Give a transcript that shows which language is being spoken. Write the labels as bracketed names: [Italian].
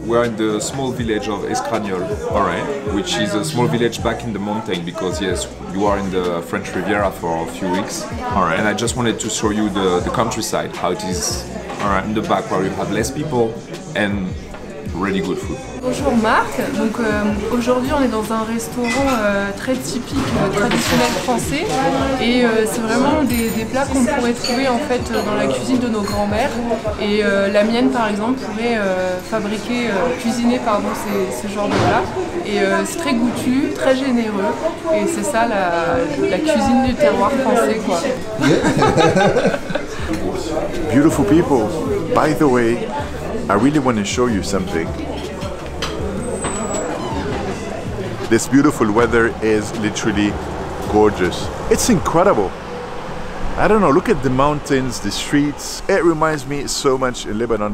[English] We're in the small village of Escragnol. All right. Which is a small village back in the mountain because, yes, you are in the French Riviera for a few weeks. All right. And I just wanted to show you the countryside, how it is. All right. In the back where you have less people and really good food. [French] Bonjour Marc. Donc aujourd'hui on est dans un restaurant très typique, traditionnel français, et c'est vraiment des plats qu'on pourrait trouver en fait dans la cuisine de nos grands-mères. Et la mienne par exemple pourrait cuisiner ce genre de plats. Et c'est très goûtu, très généreux, et c'est ça la cuisine du terroir français quoi. [English] Beautiful people. By the way, I really want to show you something. This beautiful weather is literally gorgeous. It's incredible. I don't know, look at the mountains, the streets. It reminds me so much of Lebanon.